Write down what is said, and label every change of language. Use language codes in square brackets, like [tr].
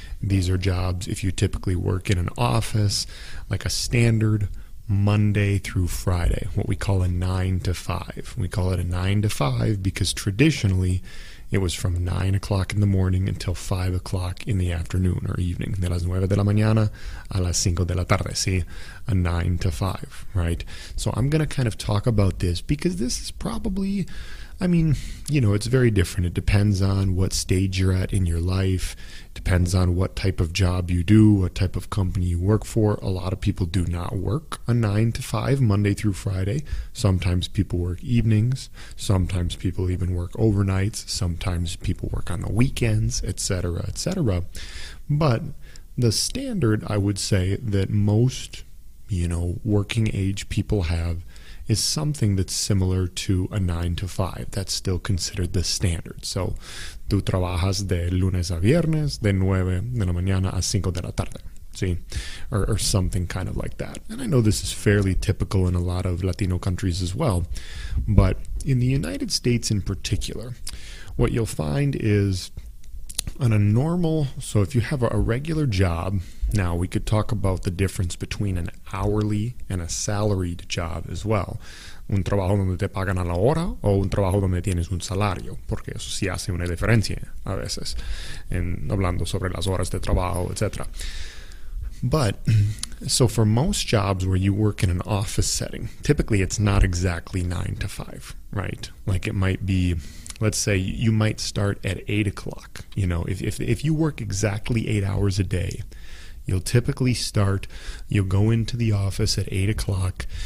[en] These are jobs, if you typically work in an office, like a standard Monday through Friday, what we call a 9-to-5. We call it a 9-to-5 because traditionally, it was from 9 o'clock in the morning until 5 o'clock in the afternoon or evening. [es] De las 9 de la mañana a las 5 de la tarde, ¿sí? [en] A 9-to-5, right? So I'm going to kind of talk about this because this is probably, I mean, you know, it's very different. It depends on what stage you're at in your life. It depends on what type of job you do, what type of company you work for. A lot of people do not work a 9-to-5 Monday through Friday. Sometimes people work evenings. Sometimes people even work overnights. Sometimes people work on the weekends, etc., etc. But the standard, I would say, that most, you know, working age people have is something that's similar to a 9-to-5. That's still considered the standard. [es] So, tú trabajas de lunes a viernes, de 9 de la mañana a 5 de la tarde, ¿sí? [en] Or something kind of like that. And I know this is fairly typical in a lot of Latino countries as well, but in the United States in particular, what you'll find is on a normal, so if you have a regular job, now we could talk about the difference between an hourly and a salaried job as well. [es] Un trabajo donde te pagan a la hora o un trabajo donde tienes un salario, porque eso sí hace una diferencia a veces, en hablando sobre las horas de trabajo, etc. [en] But so for most jobs where you work in an office setting, typically it's not exactly 9 to 5, right? Like it might be, let's say you might start at 8 o'clock. You know, if you work exactly 8 hours a day, you'll typically start, you'll go into the office at 8 o'clock.